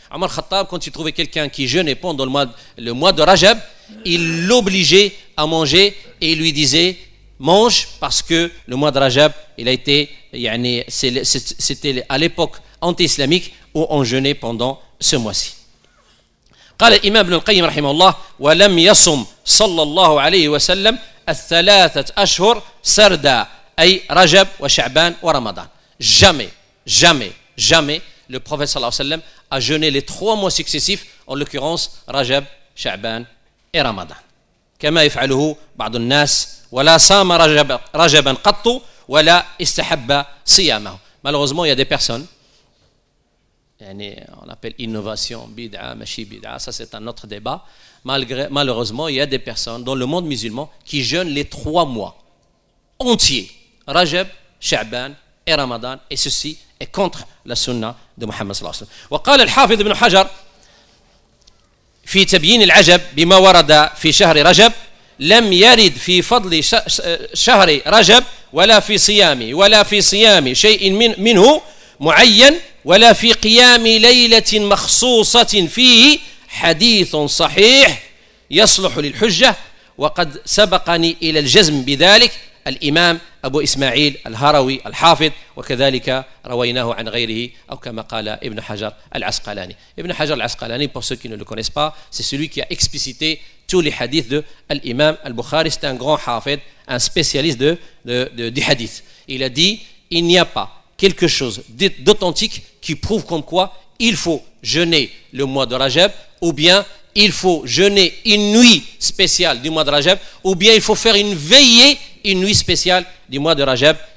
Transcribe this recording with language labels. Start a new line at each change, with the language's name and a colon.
French: عمر الخطاب
Arabic: كنت تروي
French: quelqu'un qui jeûnait pendant le mois de Rajab, il l'obligeait à manger et lui disait mange parce que le mois de Rajab il a été يعني, c'était à l'époque anti-islamique où on jeûnait pendant ce mois-ci.
Arabic: قال الإمام ابن القيم رحمه الله ولم يصم صلى الله عليه وسلم الثلاثة أشهر سردا أي رجب وشعبان ورمضان.
French: Jamais le prophète صلى الله عليه وسلم a jeûné les trois mois successifs, en l'occurrence رجب شعبان et رمضان
Arabic: كما يفعله بعض الناس. ولا صام رجبا قط ولا استحب صيامه.
French: Malheureusement il y a des personnes, on appelle innovation, bid'a, machi bid'a, ça c'est un autre débat. Malheureusement, il y a des personnes dans le monde musulman qui jeûnent les trois mois entiers, Rajab, Sha'ban et Ramadan, et ceci est contre la sunna de Muhammad sallallahu alayhi wa sallam.
Arabic: وقال الحافظ ابن حجر في تبيين العجب بما ورد في شهر رجب لم يرد في فضل شهر رجب ولا في صيامي ولا في صيامي شيء منه معين ولا في قيام ليلة مخصوصة فيه حديث صحيح يصلح للحجة وقد سبقني إلى الجزم بذلك الإمام أبو إسماعيل الهروي الحافظ وكذلك رويناه عن غيره أو كما قال ابن حجر العسقلاني.
French: ابن حجر العسقلاني pour ceux qui ne le connaissent pas c'est celui qui a explicité tous les hadiths de l'imam al-Bukhari. C'est un grand hafid, un spécialiste du hadith. Il a dit il n'y a pas quelque chose d'authentique qui prouve comme quoi il faut jeûner le mois de Rajab, ou bien il faut jeûner une nuit spéciale du mois de Rajab, ou bien il faut faire une veillée, une nuit spéciale du mois de Rajab.